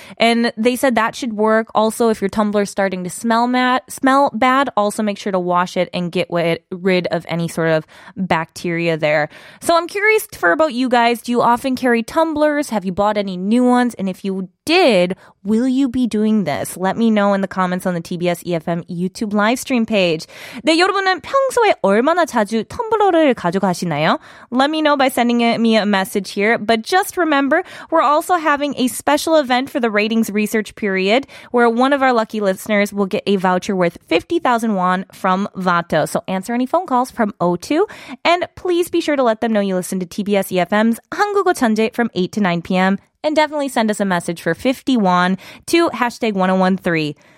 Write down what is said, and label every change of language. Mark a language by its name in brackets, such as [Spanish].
[English] And they said that should work. Also, if your tumbler is starting to smell bad, also make sure to wash it and get rid of any sort of bacteria there. So I'm curious about you guys. Do you often carry tumblers? Have you bought any new ones? And if you did, will you be doing this? Let me know in the comments on the TBS EFM YouTube live stream page. [Korean] 네, 여러분은 평소에 얼마나 자주 텀블러를 가져가시나요? [English] Let me know by sending me a message here. But just remember, we're also having a special event for the ratings research period, where one of our lucky listeners will get a voucher worth 50,000 won from Vato. So answer any phone calls from O2, and please be sure to let them know you listen to TBS EFM's 한국어 천재 from 8 to 9 p.m., and definitely send us a message for 50 won to hashtag 1013.